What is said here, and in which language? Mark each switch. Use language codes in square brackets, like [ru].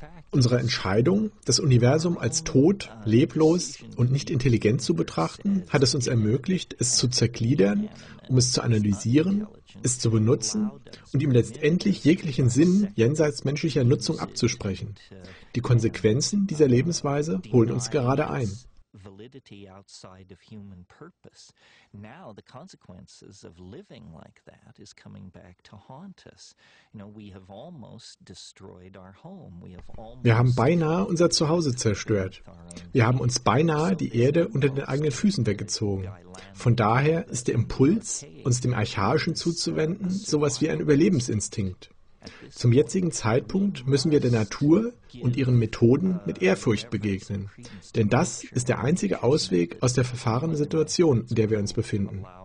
[de] Unsere Entscheidung, das Universum als tot, leblos und nicht intelligent zu betrachten, hat es uns ermöglicht, es zu zergliedern, um es zu analysieren, es zu benutzen und ihm letztendlich jeglichen Sinn jenseits menschlicher Nutzung abzusprechen. Die Konsequenzen dieser Lebensweise holen uns gerade ein. [en] Validity outside of human purpose. Now the consequences of living like that is coming back to haunt us. You know, we have almost destroyed our home. [de] Wir haben beinahe unser Zuhause zerstört. Wir haben uns beinahe die Erde unter den eigenen Füßen weggezogen. Von daher ist der Impuls, uns dem Archaischen zuzuwenden, sowas wie ein Überlebensinstinkt. Zum jetzigen Zeitpunkt müssen wir der Natur und ihren Methoden mit Ehrfurcht begegnen, denn das ist der einzige Ausweg aus der verfahrenen Situation, in der wir uns befinden.